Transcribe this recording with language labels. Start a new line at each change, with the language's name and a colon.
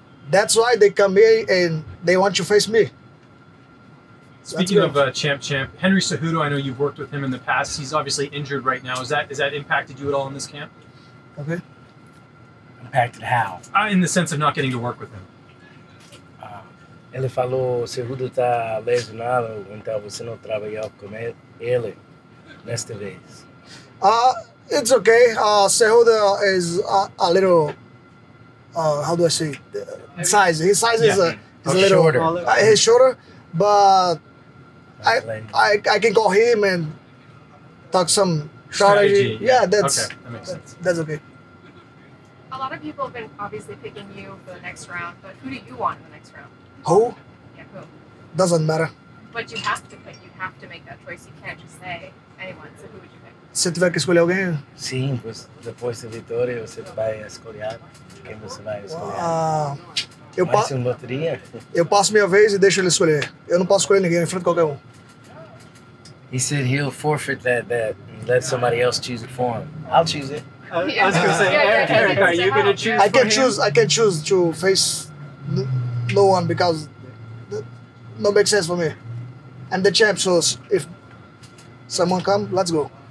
English: That's why they come here and they want to face me. Speaking of champ, Henry Cejudo, I know you've worked with him in the past. He's obviously injured right now. Has that impacted you at all in this camp? Okay. Impacted how? In the sense of not getting to work with him.
Portuguese: Ele falou, Cejudo tá lesionado, então você não trabalhou com ele nesta vez.
English: It's okay. Cejudo is a little, how do I say, size. His size is a little shorter. He's shorter, but I can call him and talk some strategy. Yeah, that's okay. That makes sense. That's okay. A lot of people have been obviously picking you for the next round, but who do you want in the next round? Who? Yeah, who? Doesn't matter. But you have to pick. You have to make that choice. You can't just say anyone. So who would you?
Portuguese: Se tiver que escolher alguém? Sim, pois depois da vitória você vai escolher quem você vai escolher. Vai ser uma loteria? Eu passo minha vez e deixo ele escolher. Eu não posso escolher ninguém, eu enfrento qualquer um.
English: He said he'll forfeit that and let somebody else choose it for him. I'll choose it. I was going to say, Eric, are you going to choose I can for choose, him? I can choose to face no one because that no makes sense for me. And the champ, so if someone come, let's go.